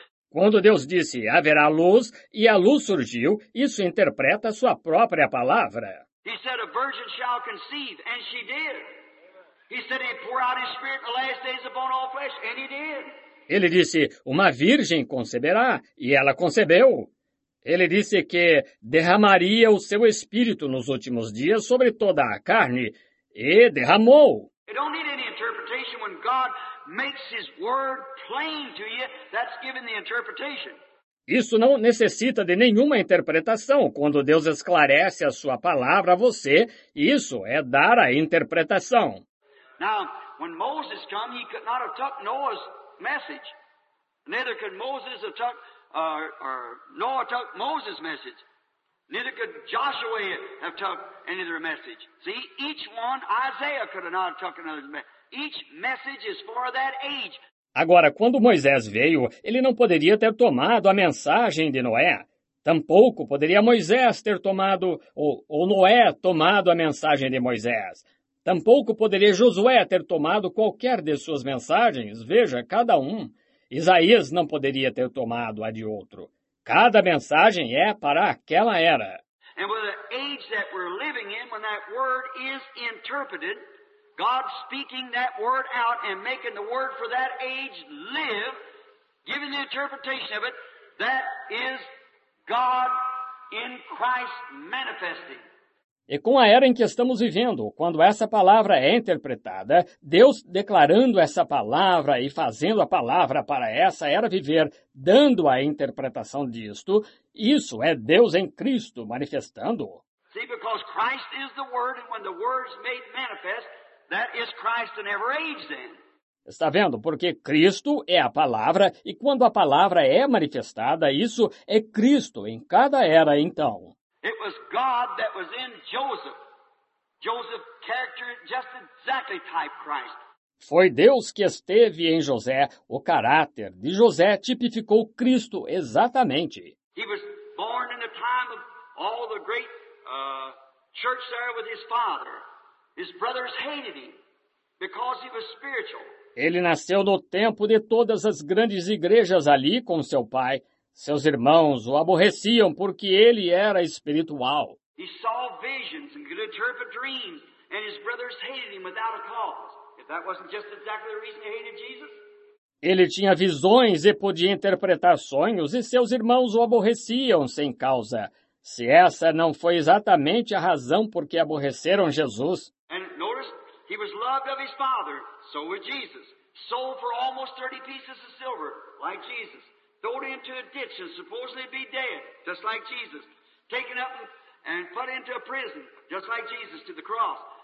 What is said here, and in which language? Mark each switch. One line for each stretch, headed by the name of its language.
Portuguese: Quando Deus disse, haverá luz, e a luz surgiu, isso interpreta a sua própria palavra.
English: He said, a virgin shall conceive, and she did. He said, he'd pour out his spirit in the last days upon all flesh, and he did.
Portuguese: Ele disse, uma virgem conceberá, e ela concebeu. Ele disse que derramaria o seu espírito nos últimos dias sobre toda a carne, e derramou.
English: You don't need any interpretation when God makes his word plain to you, that's given the interpretation.
Portuguese: Isso não necessita de nenhuma interpretação. Quando Deus esclarece a sua palavra a você, isso é dar a interpretação.
English: Now, when Moses came, he could not have tucked Noah's message. Neither could Moses have tucked Noah took Moses' message. Neither could Joshua have took any other message. See, each one, Isaiah could have not took another message. Each message is for that age.
Portuguese: Agora, quando Moisés veio, ele não poderia ter tomado a mensagem de Noé. Tampouco poderia Moisés ter tomado, ou Noé tomado a mensagem de Moisés. Tampouco poderia Josué ter tomado qualquer de suas mensagens. Veja, cada um. Isaías não poderia ter tomado a de outro. Cada mensagem é para aquela era.
English: And with the age that we're living in, when that word is interpreted, God speaking that word out and making the word for that age live, giving the interpretation of it, that is God in Christ manifesting.
Portuguese: E com a era em que estamos vivendo, quando essa palavra é interpretada, Deus declarando essa palavra e fazendo a palavra para essa era viver, dando a interpretação disto, isso é Deus em Cristo manifestando.
English: See, because Christ is the Word, and when the Word's made manifest, that is Christ in every age then.
Portuguese: Está vendo? Porque Cristo é a palavra, e quando a palavra é manifestada, isso é Cristo em cada era então.
English: It was God that was in Joseph. Joseph character just exactly type Christ.
Portuguese: Foi Deus que esteve em José. O caráter de José tipificou Cristo exatamente.
English: He was born in the time of all the great church there with his father. His brothers hated him because he was spiritual.
Portuguese: Ele nasceu no tempo de todas as grandes igrejas ali com seu pai. Seus irmãos o aborreciam porque ele era espiritual.
English: He saw visions and could interpret dreams, and his brothers hated him without a cause. If that wasn't just exactly the reason he hated Jesus?
Portuguese: Ele tinha visões e podia interpretar sonhos, e seus irmãos o aborreciam sem causa. Se essa não foi exatamente a razão por que aborreceram Jesus.
English: And notice, he was loved of his father, so was Jesus. Sold for almost 30 pieces of silver, like Jesus. Thrown into a ditch and supposedly be dead, just like Jesus. Taken up and put into a prison, just like Jesus, to the cross.